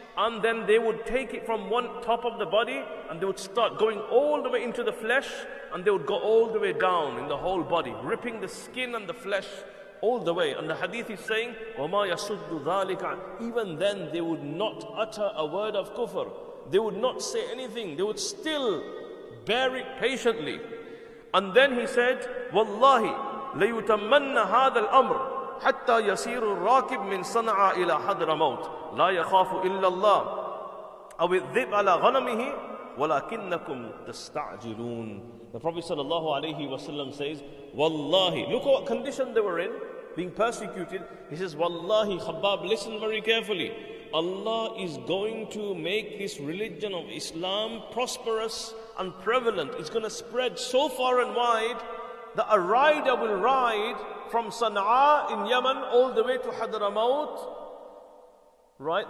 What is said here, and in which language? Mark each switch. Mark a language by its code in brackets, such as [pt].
[en] And then they would take it from one top of the body and they would start going all the way into the flesh and they would go all the way down in the whole body, ripping the skin and the flesh all the way. And the hadith is saying, [ar] وَمَا يَسُدُّ ذَٰلِكَ. [en] Even then they would not utter a word of kufr. They would not say anything. They would still bear it patiently. And then he said, [ar] وَاللَّهِ لَيُتَمَّنَّ هَذَا الْأَمْرُ حتى يسير الراكب من صنعاء الى حضرموت لا يخاف الا الله او الذئب على غنمه ولكنكم تستعجلون. [en] The Prophet sallallahu alayhi wa sallam says, wallahi, look what condition they were in, being persecuted. He says, wallahi, Khabbab, listen very carefully. Allah is going to make this religion of Islam prosperous and prevalent. It's going to spread so far and wide that a rider will ride from Sana'a in Yemen all the way to Hadramaut, right?